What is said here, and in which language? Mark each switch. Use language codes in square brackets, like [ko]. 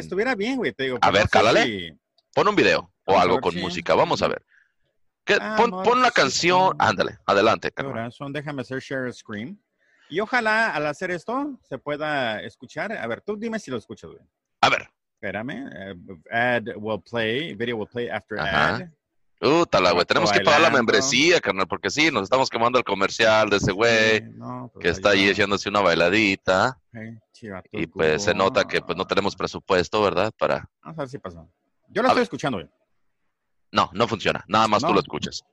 [es] estuviera bien, güey, te digo. A ver, cálale. Si... Pon un video o a algo con música, vamos a ver. Pon la canción, ándale, adelante, carnal. Corazón, déjame hacer [en] share screen. [es] Y ojalá al hacer esto se pueda escuchar. A ver, tú dime si lo escuchas, güey. A ver. Espérame. [en] Video will play after ad. [es] Tala, güey. Tenemos que pagar la membresía, carnal, porque sí, nos estamos quemando el comercial de ese güey. Que está ahí echándose una bailadita. Y pues se nota que pues no tenemos presupuesto, ¿verdad? Vamos a ver si pasa. Yo lo estoy escuchando, güey. No, no funciona. Nada más no. Tú lo escuchas.